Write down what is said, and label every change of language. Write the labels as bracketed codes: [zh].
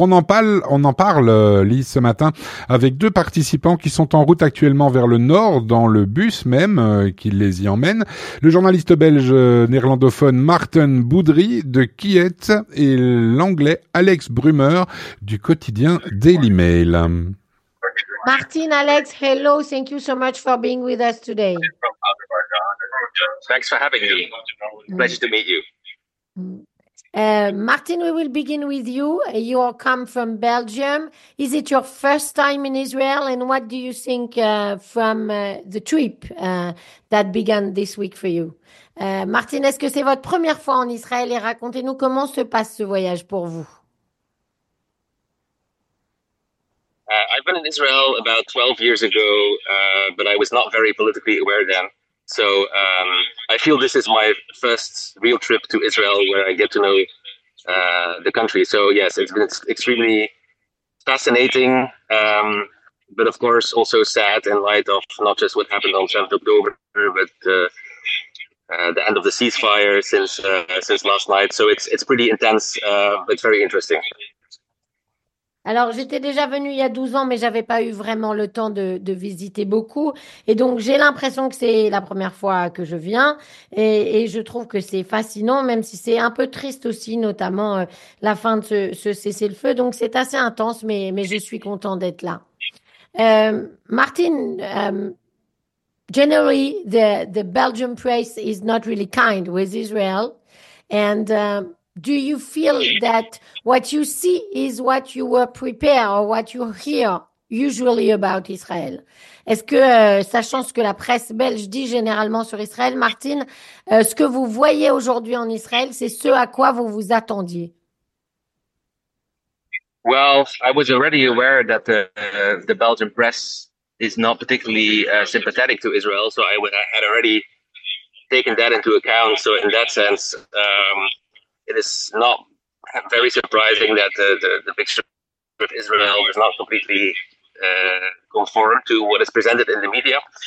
[fr] On en parle, Lise, ce matin, avec deux participants qui sont en route actuellement vers le nord, dans le bus même qui les y emmène. Le journaliste belge néerlandophone Martin Boudry de Kiet et l'anglais Alex Brummer du quotidien Daily Mail. [en] Martin, Alex, hello, thank you so much for being with us today. Thanks for having me. Pleasure to meet you. Martin, we will begin with you. You all come from Belgium. Is it your first time in Israel? And what do you think from the trip that began this week for you? [fr] Martin, est-ce que c'est votre première fois en Israël? Et racontez-nous comment se passe ce voyage pour vous. [en] I've been in Israel about 12 years ago, but I was not very politically aware then. So I feel this is my first real trip to Israel where I get to know the country. So yes, it's been extremely fascinating, but of course also sad in light of not just what happened on 7th October, but the end of the ceasefire since last night. So it's pretty intense, but very interesting. [fr] Alors, j'étais déjà venue il y a 12 ans, mais je n'avais pas eu vraiment le temps de visiter beaucoup. Et donc, j'ai l'impression que c'est la première fois que je viens. Et je trouve que c'est fascinant, même si c'est un peu triste aussi, notamment la fin de ce cessez-le-feu. Donc, c'est assez intense, mais je suis contente d'être là. [en] Martin, generally, the Belgian press is not really kind with Israel. And... do you feel that what you see is what you were prepared or what you hear usually about Israel? [fr] Est-ce que, sachant ce que la presse belge dit généralement sur Israël, Martine, ce que vous voyez aujourd'hui en Israël, c'est ce à quoi vous vous attendiez? [en] Well, I was already aware that the Belgian press is not particularly sympathetic to Israel, so I had already taken that into account. So in that sense... it is not very surprising that the picture of Israel is not completely conformed to what is presented in the media.